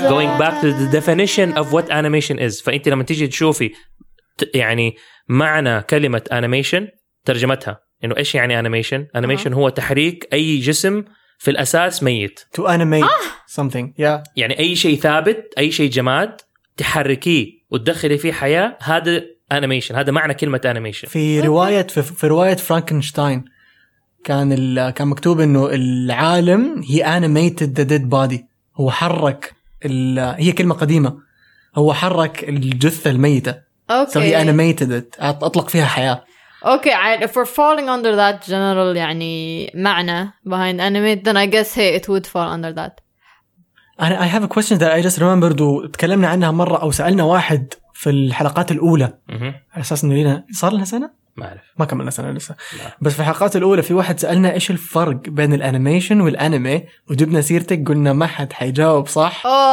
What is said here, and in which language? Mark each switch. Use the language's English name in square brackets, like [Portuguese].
[English] going back to the definition of what animation is. [Arabic] فأنت لما تيجي تشوفي يعني معنى كلمة animation ترجمتها إنه إيش يعني animation? Animation هو تحريك أي جسم في الأساس ميت. [English] To animate something, yeah. [Arabic] يعني أي شيء ثابت, أي شيء جماد تحركيه وتدخلي فيه حياة هذا. animation هذا معنى كلمة animation في رواية في رواية فرانكنشتاين كان مكتوب إنه العالم هي [English] animated the dead body [Arabic] هو حرك هي كلمة قديمة هو حرك الجثة الميتة [English] okay. so he animated it [Arabic] أطلق فيها حياة [English] okay I, if we're falling under that general [Arabic] يعني معنى [English] behind animate then I guess hey it would fall under that I have a question that I just remembered [Arabic] وتكلمنا عنها مرة أو سألنا واحد في الحلقات الأولى على أساس إنه لينا صار لنا سنة ما أعرف ما كملنا سنة لسه لا. بس في الحلقات الأولى في واحد سألنا إيش الفرق بين الأنيميشن والأنمي وجبنا سيرتك قلنا ما حد حيجاوب صح